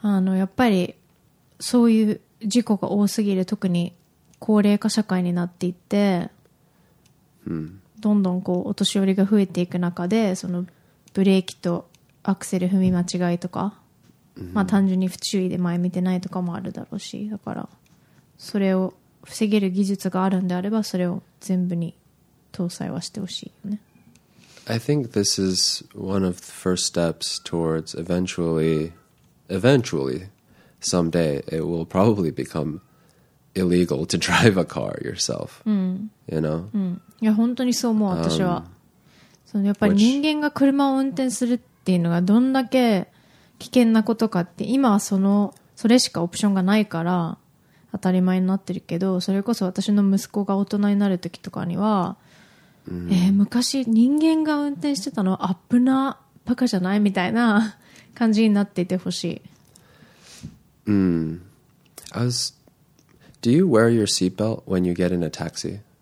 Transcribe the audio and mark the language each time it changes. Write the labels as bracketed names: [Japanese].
[Japanese] やっぱり、そういう事故が多すぎる、特に高齢化社会になっていって、どんどんこう、お年寄りが増えていく中で、その、ブレーキとアクセル踏み間違いとか、まあ単純に不注意で前見てないとかもあるだろうし、だから、それを防げる技術があるんであれば、それを全部に搭載はしてほしいよね。 [English] I think this is one of the first steps towards eventually, someday, it will probably become illegal to drive a car yourself, you know? [Japanese] いや、本当にそう思う、私は。その、やっぱり人間が車を運転するっていうのがどんだけ危険なことかって、今はそれしかオプションがないから当たり前になってるけど、それこそ私の息子が大人になる時とかには、昔人間が運転してたのはアップなバカじゃないみたいな感じになっていてほしい。 [English] Do you wear your seatbelt when you get in a taxi?